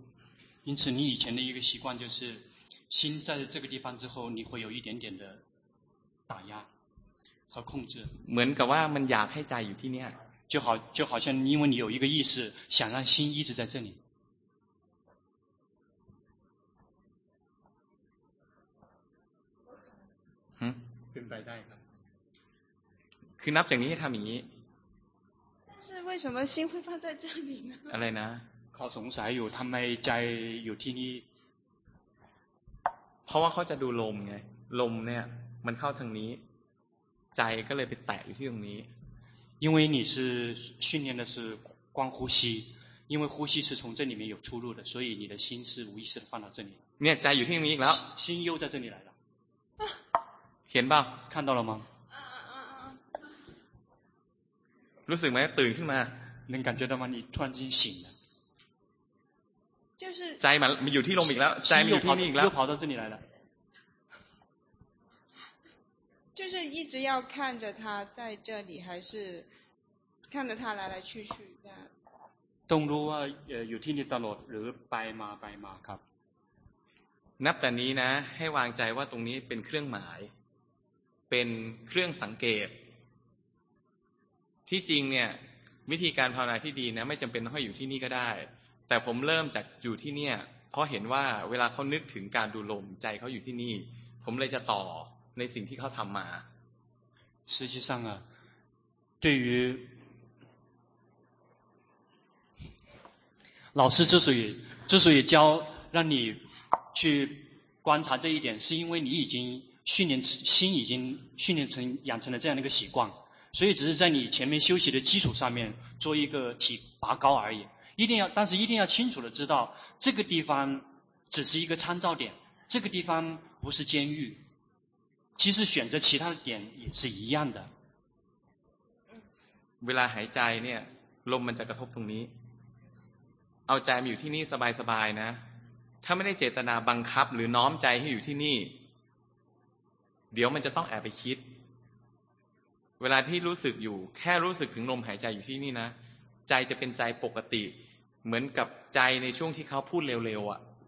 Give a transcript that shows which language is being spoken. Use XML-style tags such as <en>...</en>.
<zh>ๆ因此你以前的一个习惯就是心在这个地方之后你会有一点点的打压和控制</zh> <th>เหมือนกับว่ามันอยากให้ใจอยู่ที่เนี่ย</th> <zh>就好像因为你有一个意识想让心一直在这里</zh> <th>เ ป็นไปได้ครับ คือนับจากนี้ให้ทำอย่างนี้</th> <zh>但是为什么心会放在这里呢</zh> <th>อะไรนะ เขาสงสัยอยู่ทำไมใจอยู่ที่นี่ พราะว่าเขาจะดูลมไงลมเนี่ยมันเข้าทางนี้ใจก็เลยไปแตะอยู่ที่ตรงนี้</th> <zh>因为你是训练的是光呼吸因为呼吸是从这里面有出入的所以你的心是无意识的放到这里</zh> <th>เนี่ยใจอยู่ที่นี้แล้ว</th> <zh>心又在这里来了</zh> <th>เห็นป่ะ</th> <zh>看到了吗</zh> <th>รู้สึกไหมตื่นขึ้นมา</th> <zh>能感觉到吗你突然间醒了就是</zh> <th>ใจมันมันอยู่ที่ลมอีกแล้วใจมันอยู่ที่นี่อีกแล้ว</th> <zh>又跑到这里来了就是一直要看着他在这里还是看着他来来去去这样</zh> <th>ต้องรู้ว่าอยู่ที่นี่ตลอดหรือไปมาไปมาครับ นับแต่นี้นะให้วางใจว่าตรงนี้เป็นเครื่องหมายเป็นเครื่องสังเกตที่จริงเนี่ยวิธีการภาวนาที่ดีนะไม่จำเป็นต้องให้อยู่ที่นี่ก็ได้แต่ผมเริ่มจากอยู่ที่เนี่ยเพราะเห็นว่าเวลาเขานึกถึงการดูลมใจเขาอยู่ที่นี่ผมเลยจะต่อในสิ่งที่เขาทำมา</th> <zh>实际上啊对于老师之所以教让你去观察这一点是因为你已经训练心已经训练成养成了这样的一个习惯所以只是在你前面休息的基础上面做一个提拔高而已一定要但是一定要清楚的知道这个地方只是一个参照点这个地方不是监狱其实选择其他的点也是一样的</zh> <th>เวลาหายใจเนี่ยลมมันจะกระทบตรงนี้เอาใจมาอยู่ที่นี่สบายๆนะถ้าไม่ได้เจตนาบังคับหรือน้อมใจให้อยู่ที่นี่เดี๋ยวมันจะต้องแอบไปคิดเวลาที่รู้สึกอยู่แค่รู้สึกถึงลมหายใจอยู่ที่นี่นะใจจะเป็นใจปกติเหมือนกับใจในช่วงที่เขาพูดเร็วๆอ่ะ</th>